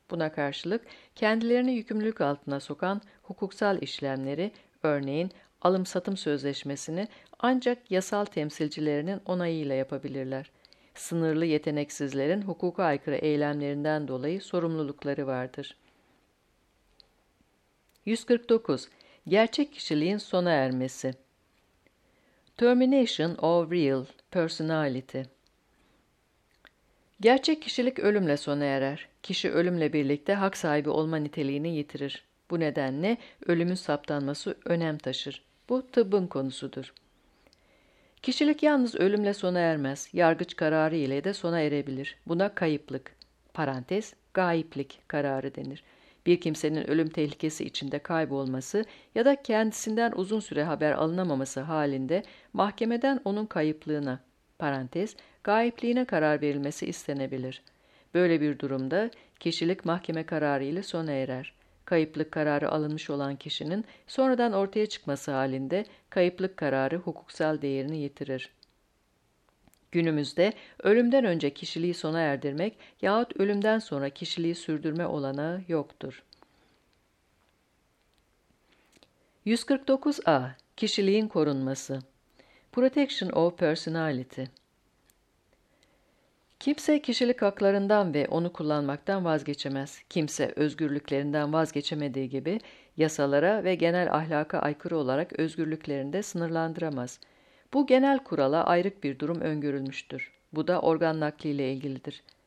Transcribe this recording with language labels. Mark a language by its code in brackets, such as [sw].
[tr] Buna karşılık kendilerini yükümlülük altına sokan hukuksal işlemleri, örneğin alım-satım sözleşmesini ancak yasal temsilcilerinin onayıyla yapabilirler. Sınırlı yeteneksizlerin hukuka aykırı eylemlerinden dolayı sorumlulukları vardır. 149. Gerçek kişiliğin sona ermesi. [en] Termination of real personality. [tr] Gerçek kişilik ölümle sona erer. Kişi ölümle birlikte hak sahibi olma niteliğini yitirir. Bu nedenle ölümün saptanması önem taşır. Bu tıbbın konusudur. Kişilik yalnız ölümle sona ermez. Yargıç kararı ile de sona erebilir. Buna kayıplık, parantez, gayiplik kararı denir. Bir kimsenin ölüm tehlikesi içinde kaybolması ya da kendisinden uzun süre haber alınamaması halinde mahkemeden onun kayıplığına, parantez, gayipliğine karar verilmesi istenebilir. Böyle bir durumda kişilik mahkeme kararı ile sona erer. Kayıplık kararı alınmış olan kişinin sonradan ortaya çıkması halinde kayıplık kararı hukuksal değerini yitirir. Günümüzde ölümden önce kişiliği sona erdirmek yahut ölümden sonra kişiliği sürdürme olanağı yoktur. 149A. Kişiliğin korunması. [en] Protection of personality. [tr] Kimse kişilik haklarından ve onu kullanmaktan vazgeçemez. Kimse özgürlüklerinden vazgeçemediği gibi yasalara ve genel ahlaka aykırı olarak özgürlüklerini de sınırlandıramaz. Bu genel kurala ayrık bir durum öngörülmüştür. Bu da organ nakliyle ilgilidir.